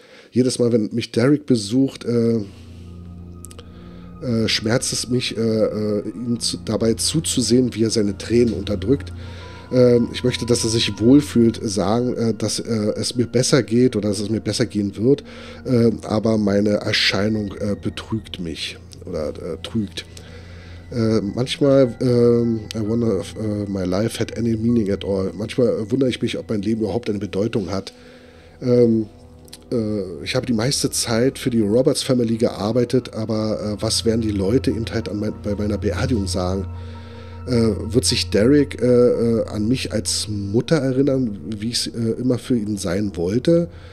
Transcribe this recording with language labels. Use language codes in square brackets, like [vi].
[de] Jedes Mal, wenn mich Derek besucht, schmerzt es mich, ihm dabei zuzusehen, wie er seine Tränen unterdrückt. Ich möchte, dass er sich wohlfühlt, sagen, dass es mir besser geht oder dass es mir besser gehen wird, aber meine Erscheinung betrügt mich oder trügt. Manchmal [en] I wonder if my life had any meaning at all. [de] Manchmal wundere ich mich, ob mein Leben überhaupt eine Bedeutung hat. Ich habe die meiste Zeit für die Roberts Family gearbeitet, aber was werden die Leute eben halt bei meiner Beerdigung sagen? Wird sich Derek an mich als Mutter erinnern, wie ich es immer für ihn sein wollte?